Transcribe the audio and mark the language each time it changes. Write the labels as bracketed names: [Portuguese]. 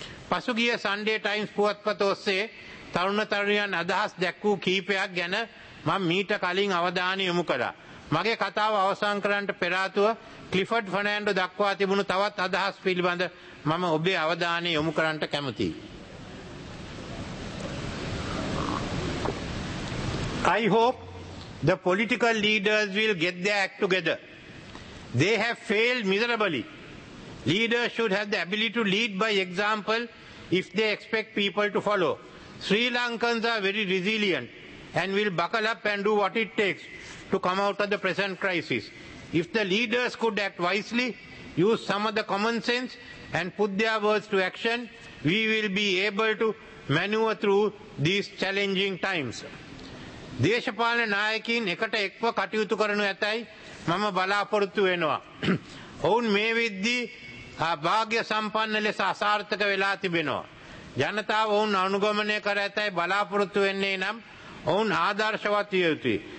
[Sinhala] පසුගිය Sunday Times පුවත්පත ඔස්සේ තරුණ තරුණියන් අදහස් දැක්වූ කීපයක් ගැන මම මීට කලින් අවධානය යොමු කළා. මගේ කතාව අවසන් කරන්නට පෙර ආතුව ක්ලිෆර්ඩ් ෆර්නෑන්ඩෝ දක්වා තිබුණු තවත් අදහස් පිළිබඳ මම ඔබේ අවධානය යොමු කරන්නට කැමතියි. [English] I hope the political leaders will get their act together. They have failed miserably. Leaders should have the ability to lead by example if they expect people to follow. Sri Lankans are very resilient and will buckle up and do what it takes to come out of the present crisis. If the leaders could act wisely, use some of the common sense and put their words to action, we will be able to maneuver through these challenging times. [Sinhala] දේශපාලන නායකයින් එකට එක්ව කටයුතු කරනු ඇතැයි මම බලාපොරොත්තු වෙනවා. ඔවුන් මේ විද්දී වාග්ය සම්පන්න ලෙස අසාර්ථක වෙලා තිබෙනවා. ජනතාව ඔවුන් අනුගමනය කර ඇතැයි බලාපොරොත්තු වෙන්නේ නම් ඔවුන් ආදර්ශවත් විය යුතුයි.